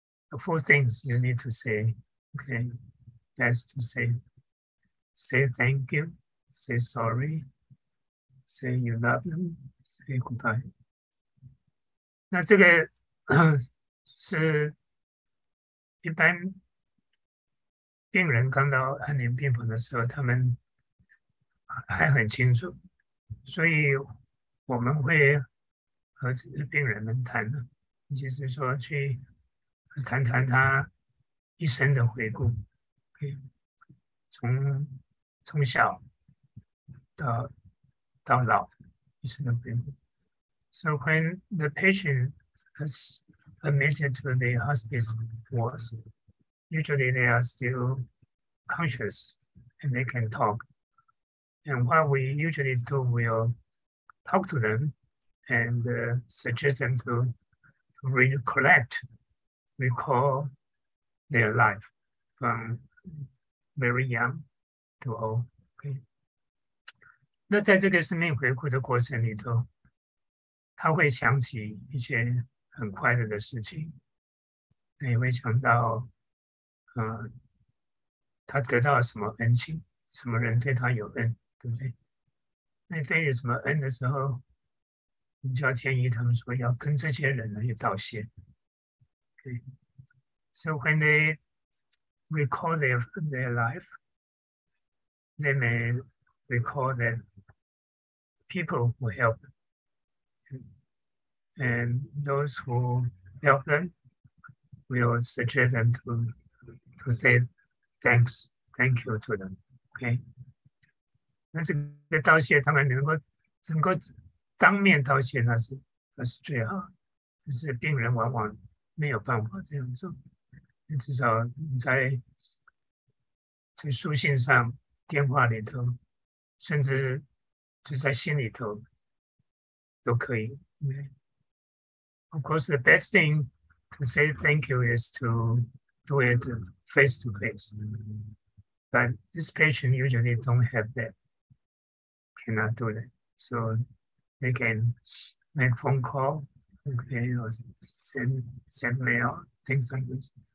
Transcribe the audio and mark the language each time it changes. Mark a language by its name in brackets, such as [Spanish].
[English] The four things you need to say, okay, that's to say thank you, say sorry, say you love them, say goodbye. [Chinese] 那这个 是一般病人刚到安宁病房的时候，他们还很清楚。所以我们会和这个病人们谈的，就是说去谈谈他一生的回顾，从小到老一生的回顾。 [English] So when the patient has admitted to the hospice wards, usually they are still conscious and they can talk. And what we usually do, we'll talk to them and suggest them to recollect, recall their life from very young to old. Okay. [Chinese] 那在这个生命回顾的过程里头，他会想起一些很快乐的事情，也会想到，他得到什么恩情，什么人对他有恩。对不对？那对于什么恩的时候，你就要建议他们说要跟这些人呢也道谢。对、 [English] okay.，So when they recall their life, they may recall the people who help and those who help them will suggest them to say thanks, thank you to them. Okay. [Chinese] 那这个道谢，他们能够当面道谢，那是最好。但是病人往往没有办法这样做，至少你在书信上、电话里头，甚至就在心里头都可以。 [English] Okay. Of course, the best thing to say thank you is to do it face to face, but this patient usually don't have that. Cannot do that. So they can make phone call, okay, or send mail, things like this.